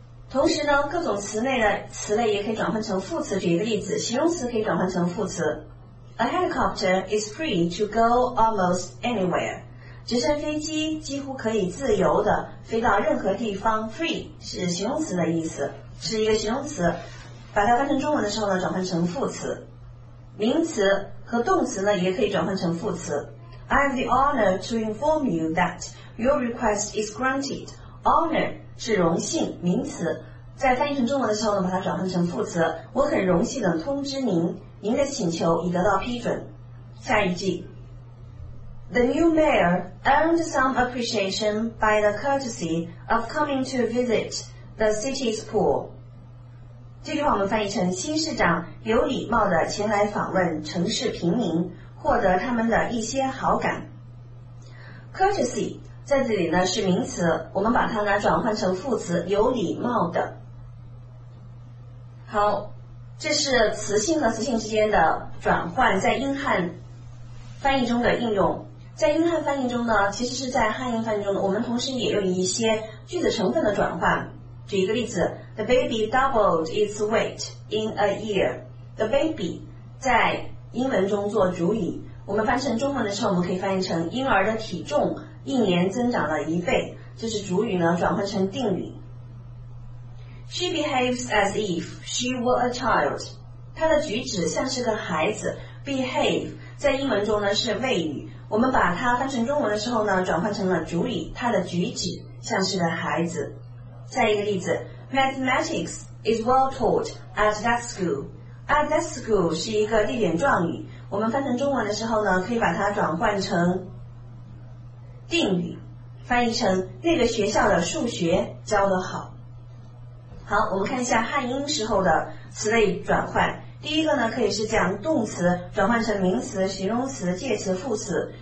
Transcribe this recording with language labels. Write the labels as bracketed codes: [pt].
[zh] 同时呢，各种词类也可以转换成副词。举一个例子，形容词可以转换成副词 ： [en] A helicopter is free to go almost anywhere. [zh] 直升飞机几乎可以自由的飞到任何地方。 Free 是形容词的意思，是一个形容词。把它翻成中文的时候呢，转换成副词。名词和动词呢，也可以转换成副词。 [en] I have the honor to inform you that your request is granted. [zh] Honor 是荣幸，名词。在翻译成中文的时候呢，把它转换成副词。我很荣幸地通知您，您的请求已得到批准。下一句。 [en] The new mayor earned some appreciation by the courtesy of coming to visit the city's pool. [zh] 这句话我们翻译成：新市长有礼貌地前来访问城市平民，获得他们的一些好感。 Courtesy 在这里呢是名词，我们把它呢转换成副词，有礼貌的。好，这是词性和词性之间的转换，在英汉翻译中的应用。在英汉翻译中呢，其实是在汉英翻译中，我们同时也用一些句子成分的转换。举一个例子 [en] ，The baby doubled its weight in a year. [zh] The baby 在英文中做主语，我们翻成中文的时候，我们可以翻译成婴儿的体重一年增长了一倍，这是主语呢转换成定语。 [en] She behaves as if she were a child. [zh] 她的举止像是个孩子。 Behave 在英文中呢是谓语，我们把它翻成中文的时候呢，转换成了主语，她的举止像是个孩子。再一个例子 [en] ，Mathematics is well taught at that school. [zh] At that school 是一个地点状语，我们翻成中文的时候呢，可以把它转换成定语，翻译成那个学校的数学教得好。好，我们看一下汉英时候的词的转换。第一个呢，可以是将动词转换成名词、形容词、介词、副词。